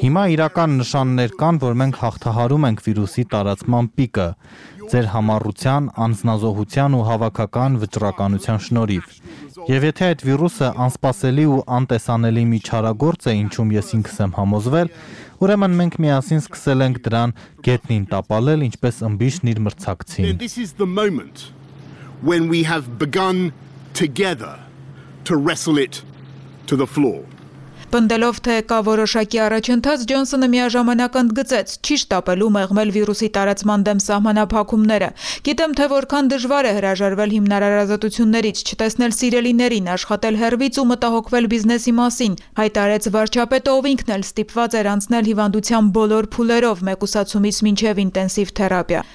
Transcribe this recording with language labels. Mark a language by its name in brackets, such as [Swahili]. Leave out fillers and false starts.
[Armenian] Հիմա իրական նշաններ կան, որ մենք հաղթահարում ենք վիրուսի տարածման պիկը, ձեր համառության, անznազողության ու հավաքական վճռականության շնորհիվ։ Եվ եթե այդ վիրուսը անսպասելի ու անտեսանելի մի չարագործ է, ինչում ես ինքս եմ համոզվել, ուրեմն մենք միասին սկսել ենք դրան գետնին տապալել, ինչպես ըմբիշն իր մրցակցին։ [English] This is the moment when we have begun together to wrestle it to the floor. [Armenian] Պնդելով, թե կա որոշակի առաջընթաց, Ջոնսոնը միաժամանակ ընդգծեց ճիշտ ապելու մեղմել վիրուսի տարածման դեմ սահմանափակումները։ Գիտեմ, թե որքան դժվար է հրաժարվել հիմնարար ազատություններից, չտեսնել սիրելիներին, աշխատել հեռվից ու մտահոգվել բիզնեսի մասին, հայտարարեց վարչապետը, ով ինքն էլ ստիպված էր անցնել հիվանդության բոլոր փուլերով, մեկուսացումից մինչև ինտենսիվ թերապիա։